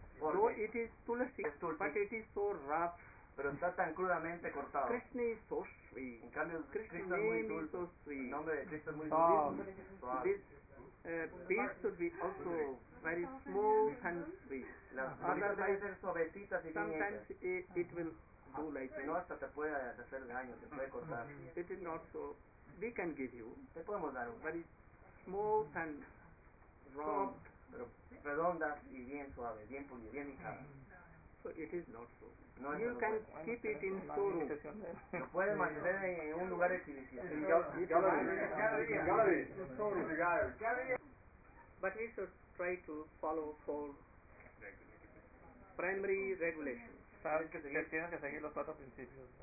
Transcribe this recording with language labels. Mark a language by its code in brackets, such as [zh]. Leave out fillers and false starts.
[en] Though it is tulasi, but it is so rough. [es] Pero está tan crudamente cortado. [en] Krishna is so sweet. [es] En cambio, [en] Krishna name [es] muy dulce. [en] Is so sweet. [es] El nombre de Krishna es muy dulce. [en] This piece should be also very smooth and sweet. [es] Las cosas deben ser suavecitas y bien hechas. [en] Sometimes it will do like [es] no hasta te puede hacer daño, te puede cortar. [en] It is not so. We can give you. [es] Te podemos dar un [en] very smooth and round. [es] Pero redonda y bien suave, bien pulida, bien hinchada. [en] So it is not so. [es] No, [en] you can keep it in storeroom. [es] Lo puedes mantener en un lugar equilibrado. [en] But we should try to follow four primary regulations. [es] Sabes que se tienen que seguir los cuatro principios.